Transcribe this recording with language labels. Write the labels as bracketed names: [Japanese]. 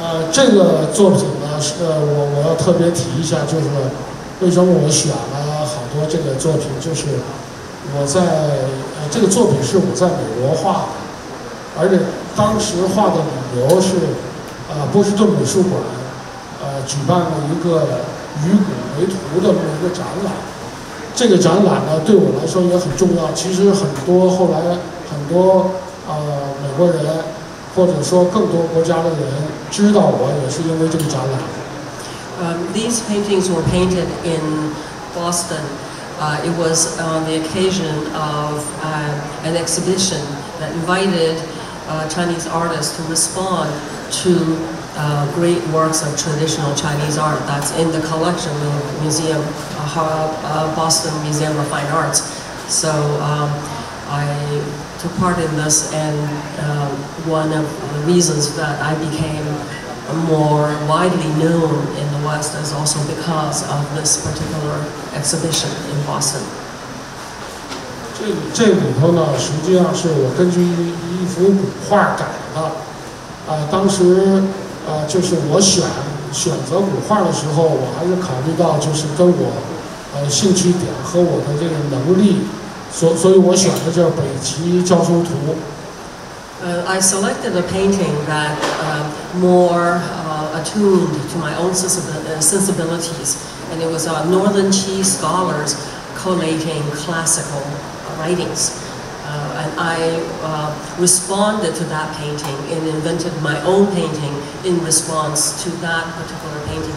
[Chinese] 这个作品呢，我要特别提一下，就是为什么我选了好多这个作品，就是我在这个作品是我在美国画的，而且当时画的理由是，波士顿美术馆举办了一个鱼骨为图的这么一个展览，这个展览呢对我来说也很重要。其实很多后来很多美国人。或者说更多国家的人知道我也是因为这个展览。 [English] These paintings were painted in Boston. It was on the occasion of an exhibition that invited Chinese artists to respond to great works of traditional Chinese art that's in the collection of the museum, Boston Museum of Fine Arts. So I took part in this, and one of the reasons that I became more widely known in the West is also because of this particular exhibition in Boston. [Chinese] 这里头呢，实际上是我根据一幅古画改的。当时就是我选择古画的时候，我还是考虑到就是跟我兴趣点和我的这个能力，所以我选的叫北极交通图。 [English] I selected a painting that more attuned to my own sensibilities, and it was a Northern Qi scholars collating classical writings. And I responded to that painting and invented my own painting in response to that particular painting.